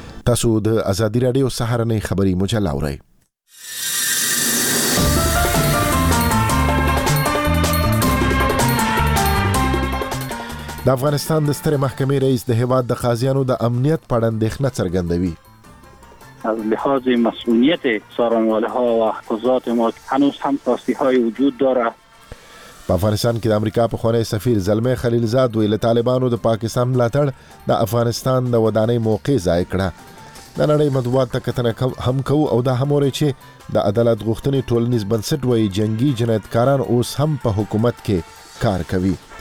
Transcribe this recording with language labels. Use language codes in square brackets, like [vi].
[ps] تاسو د ازادي راډیو سهارنۍ خبري مجله اورئ. د افغانستان د ستر محکمې رئیس د هیواد د قاضیانو د امنیت په اړه اندېښنه څرګندوي. [fa] از لحاظ مسئولیت څارنوالها و قضات ما هنوز هم خواستی های وجود داره. [ps] په افغانستان کې د امریکا په خوانی سفیر زلمه خلیلزاد ویل طالبانو د پاکستان ملاتړ د افغانستان د ودانۍ موقع ضایع کړه. د نړۍ مطبوعات ته کتنه هم کوو او دا هم وایو چې د عدالت غوښتنې ټولنیز بنسټ وایي جنګي جنایتکاران اوس هم په حکومت کې کار کوي.